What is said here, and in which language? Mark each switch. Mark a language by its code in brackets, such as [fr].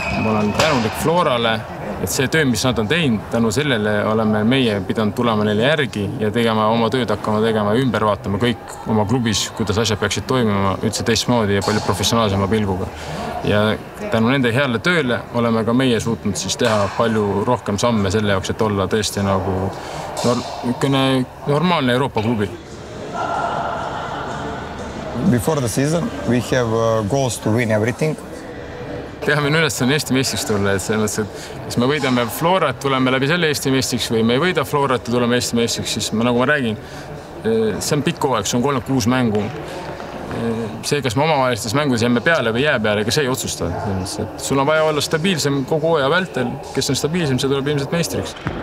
[et] Ma olen tänulik Florale, et see töö, mis nad on teinud, tänu sellele oleme meie pidanud tulema neile järgi ja tegema oma tööd, hakkama tegema ümber, vaatama kõik oma klubis, kuidas asjad peaksid toimima üldse teistmoodi ja palju professionaalsema pilguga. Ja tänu nende heale tööle oleme ka meie suutnud siis teha palju rohkem samme selle jaoks, et olla tõesti nagu normaalne Euroopa klubi. [en] Before the season we have goals to win everything. [et] Teame nüüd, et see on Eesti meistriks tulla. Kas me võidame Florat, tuleme läbi selle Eesti meistriks või me ei võida Florat ja tuleme Eesti meistriks, siis nagu ma räägin, see on pikku aeg, see on 36 mängu. See, kas me omavahelistes mängudes jääme peale või jää peale, ka see ei otsusta. Sul on vaja olla stabiilsem kogu aja vältel. Kes on stabiilsem, see tuleb ilmselt meistriks.